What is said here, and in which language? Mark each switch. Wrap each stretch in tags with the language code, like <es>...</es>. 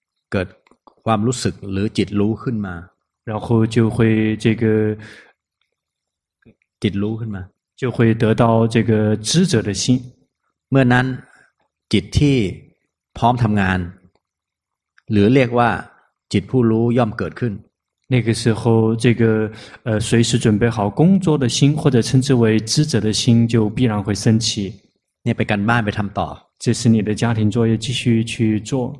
<th>เกิดความรู้สึกหรือจิตรู้ขึ้นมา</th> <zh>然后就会这个</zh> <th>จิตรู้ขึ้นมา</th> <zh>就会得到这个知者的心</zh> <th>เมื่อนั้นจิตที่พร้อมทำงานหรือเรียกว่าจิตผู้รู้ย่อมเกิดขึ้น</th> <zh>那个时候这个随时准备好工作的心或者称之为知者的心就必然会升起</zh> <th>你ไปกันบ้านไปทำต่อ</th> <zh>这是你的家庭作业继续去做</zh>